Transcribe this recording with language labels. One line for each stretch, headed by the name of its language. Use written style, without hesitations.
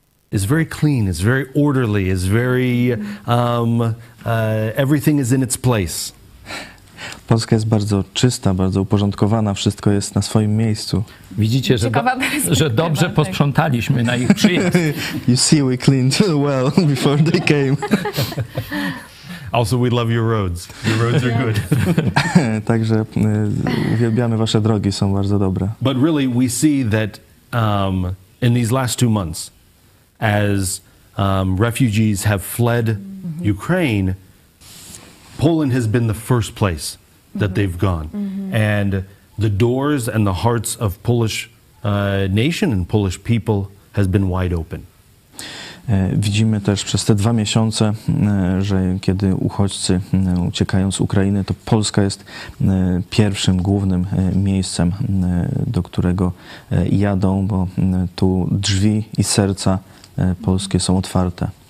English: is very clean, is very orderly, is very everything is in its place.
Polish: Polska jest bardzo czysta, bardzo uporządkowana, wszystko jest na swoim miejscu. Widzicie, że dobrze posprzątaliśmy na ich przyjazd.
English: You see, we cleaned well before they came. Also, we love your roads. Your roads are good.
Polish: Także uwielbiamy wasze drogi, są bardzo dobre.
English: But really, we see that in these last 2 months, as refugees have fled mm-hmm. Ukraine, Poland has been the first place that mm-hmm. they've gone. Mm-hmm. And the doors and the hearts of Polish nation and Polish people has been wide open.
Polish: Widzimy też przez te 2 miesiące, że kiedy uchodźcy uciekają z Ukrainy, to Polska jest pierwszym, głównym miejscem, do którego jadą, bo tu drzwi i serca polskie są otwarte.